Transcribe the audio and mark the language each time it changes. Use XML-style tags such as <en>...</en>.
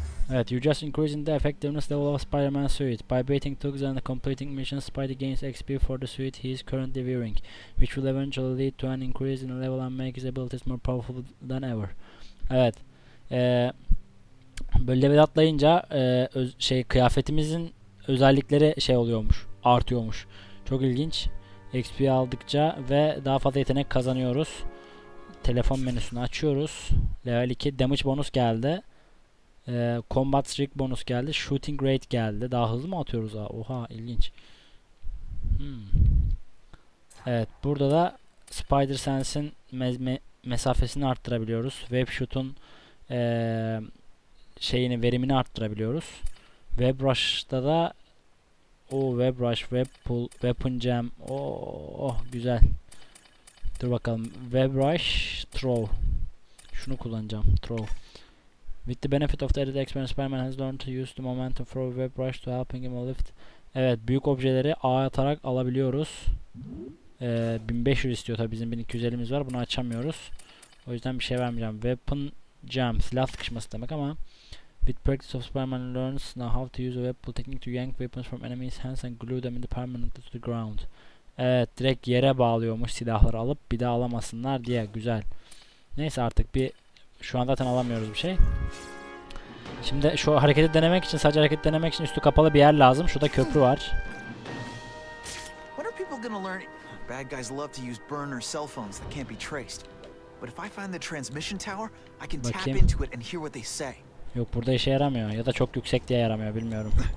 <en>Evet, you just increasing the effectiveness level of Spider-Man suit. By beating thugs and completing missions, Spidey gains XP for the suit he is currently wearing, which will eventually lead to an increase in level and make his abilities more powerful than ever.</en> <tr>Evet. Böyle level atlayınca kıyafetimizin özellikleri şey oluyormuş, artıyormuş. Çok ilginç. XP aldıkça ve daha fazla yetenek kazanıyoruz. Telefon menüsünü açıyoruz. Level 2 damage bonus geldi. Combat streak bonus geldi. Shooting rate geldi. Daha hızlı mı atıyoruz ha? Oha, ilginç. Evet, burada da Spider Sense'in mesafesini arttırabiliyoruz. Web shoot'un şeyini, verimini arttırabiliyoruz. Web rush'ta da web rush, web pull, weapon jam. Oh, güzel. Dur bakalım. Web rush, throw. Şunu kullanacağım. Throw.</tr> <en>With the benefit of the added experience, Spider-Man has learned to use the momentum for a web rush to helping him lift.</en> <tr>Evet, büyük objeleri ağa atarak alabiliyoruz. 1500 istiyor tabii, bizim 1250'miz var, bunu açamıyoruz. O yüzden bir şey vermeyeceğim. Weapon jam, silah sıkışması demek ama.</tr> <en>With practice of Spider-Man learns now how to use a web pull technique to yank weapons from enemies' hands and glue them into permanently to the ground.</en> <tr>Evet, direkt yere bağlıyormuş silahları alıp bir daha alamasınlar diye. Güzel. Neyse artık bir, şu an zaten alamıyoruz bir şey. Şimdi şu hareketi denemek için, sadece hareket denemek için üstü kapalı bir yer lazım. Şurada köprü var.</tr> <en>What are people gonna learn? Bad guys love to use burner cell phones that can't be traced. But if I find the transmission tower, I can tap into it and hear what they say.</en> <tr>Yok, burada işe yaramıyor ya da çok yüksek diye yaramıyor, bilmiyorum.</tr>